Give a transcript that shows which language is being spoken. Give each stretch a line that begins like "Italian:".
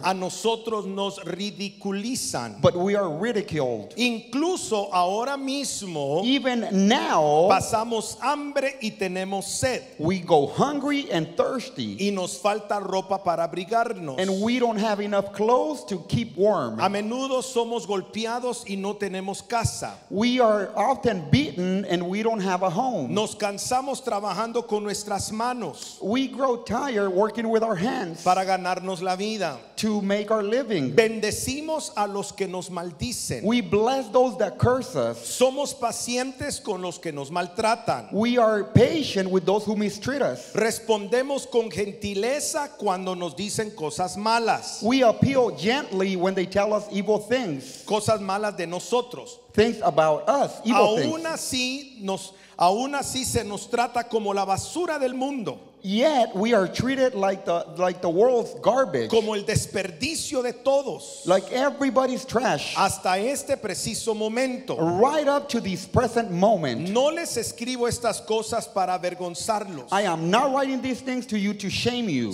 Spanish: A nosotros nos ridiculizan.
English: But we are ridiculed.
Spanish: Incluso ahora mismo,
English: even now,
Spanish: pasamos hambre y tenemos sed.
English: We go hungry and thirsty.
Spanish: Y nos falta ropa para abrigarnos.
English: And we don't have enough clothes to keep warm.
Spanish: A menudo somos golpeados y no tenemos casa.
English: We are often beaten and we don't have a home.
Spanish: Nos cansamos trabajando con nuestras manos.
English: We grow tired working with our hands.
Spanish: Para ganarnos la vida.
English: To make our living.
Spanish: Bendecimos a los que nos maldicen.
English: We bless those that curse us.
Spanish: Somos pacientes con los que nos maltratan.
English: We are patient with those who mistreat us.
Spanish: Respondemos con gentileza cuando nos dicen cosas malas.
English: We appeal gently when they tell us evil things.
Spanish: Cosas malas de nosotros.
English: Things about us, evil
Spanish: aún
English: things.
Spanish: Aún así se nos trata como la basura del mundo.
English: Yet we are treated like the world's garbage.
Spanish: Como el desperdicio de todos.
English: Like everybody's trash.
Spanish: Hasta este preciso momento.
English: Right up to this present moment.
Spanish: No les escribo estas cosas para avergonzarlos.
English: I am not writing these things to you to shame you.